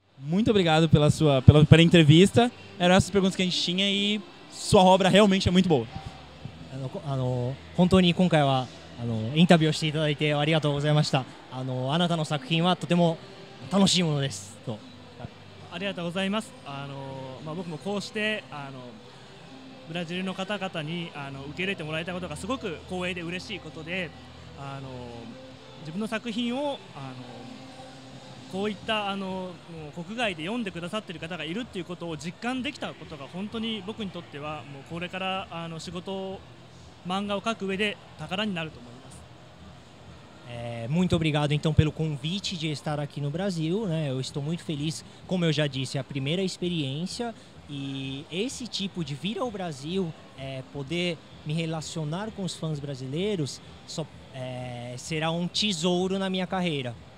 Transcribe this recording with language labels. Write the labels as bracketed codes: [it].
[pt] Muito obrigado pela entrevista. Eram essas perguntas que a gente tinha e sua obra realmente é muito boa. Realmente, [ja] インタビューをしていただいてありがとうございました。あなたの作品はとても楽しいものです。とありがとうございます。まあ、僕もこうしてブラジルの方々に受け入れてもらえたことがすごく光栄で嬉しいことで、自分の作品をこういったもう国外で読んでくださっている方がいるということを実感できたことが本当に僕にとってはもうこれから仕事を漫画を描く上で宝になると思います。 [pt] Muito obrigado então pelo convite de estar aqui no Brasil, né? Eu estou muito feliz, como eu já disse, a primeira experiência e esse tipo de vir ao Brasil, poder me relacionar com os fãs brasileiros, será um tesouro na minha carreira.